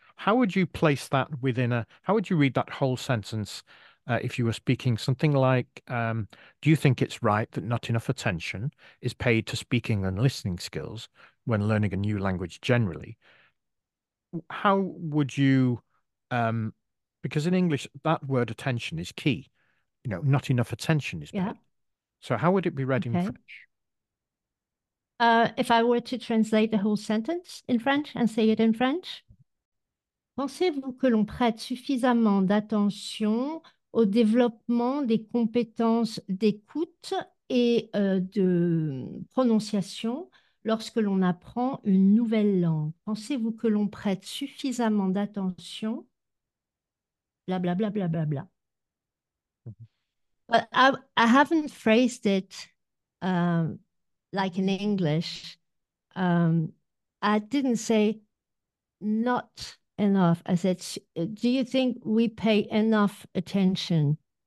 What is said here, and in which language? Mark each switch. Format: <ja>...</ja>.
<en>How would you place that within a, how would you read that whole sentence if you were speaking something like, do you think it's right that not enough attention is paid to speaking and listening skills when learning a new language generally? How would you, because in English, that word attention is key. Not enough attention is Yeah. paid. So how would it be read in Okay. French? If I were to translate the whole sentence in French and say it in French,</en> <fr>pensez-vous que l'on prête suffisamment d'attention au développement des compétences d'écoute et de prononciation lorsque l'on apprend une nouvelle langue? Pensez-vous que l'on prête suffisamment d'attention? Bla bla bla bla bla bla.</fr> <en>But I haven't phrased it like in English. I didn't say not enough. I said, do you think we pay enough attention?</en>